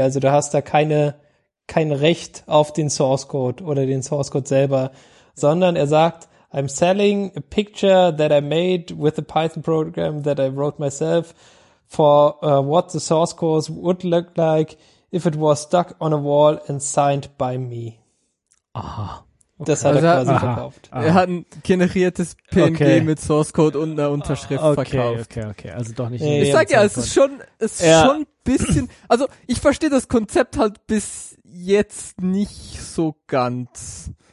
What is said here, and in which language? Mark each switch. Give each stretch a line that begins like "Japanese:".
German: Also du hast da kein Recht auf den Source Code oder den Source Code selber. Sondern er sagt,
English: I'm selling a picture that I made with a Python program that I wrote myself for what the source code would look like if it was stuck on a wall and signed by me.
German: Aha. Okay. Das hat er quasi verkauft. Aha. Er hat ein generiertes PNG mit Source Code und einer Unterschrift verkauft. Okay. Also doch nicht. Ich sag ja, es ist schon ein bisschen, also ich verstehe das Konzept halt bis jetzt nicht so ganz.